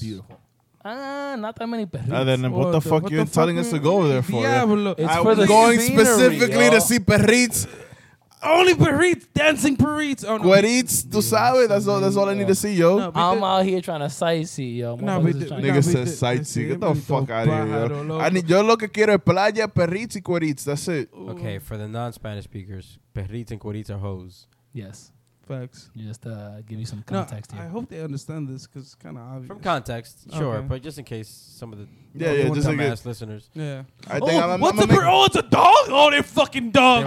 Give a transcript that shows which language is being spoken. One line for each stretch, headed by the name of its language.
English: Beautiful. Not that many perrits. And then what the fuck are you telling us to go over there for? Yeah, but look, it's for the going scenery, specifically yo. To see perrits. Only perrits, dancing perrits. Oh, no. Guerits,
Spanish: tu sabes,
English: that's all I need to see, yo. No, I'm out here trying to sightsee, yo. Nigga says sightsee. Get the fuck out of here, yo.
Spanish: Yo lo que quiero es playa, perrits y guerits.
English: That's it. Okay, for the non-Spanish speakers, perrits and guerits are hoes. Yes. Facts. Just give you some context here. I hope they understand this because it's kind of From context, sure. Okay. But just in case some of the dumbass listeners. Yeah. I think it's a dog? Oh, they're fucking dogs.